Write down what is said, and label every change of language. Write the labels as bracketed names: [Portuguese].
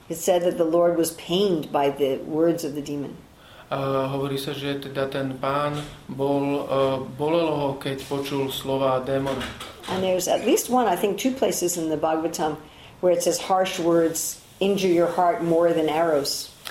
[English] it said that the Lord was pained by the words of the demon. [Slovak] Hovorí sa, že teda ten pán bol bolelo ho, keď počul slova démona. [English] And there's at least one, I think two places in the Bhagavatam where it says harsh words injure your heart more than arrows.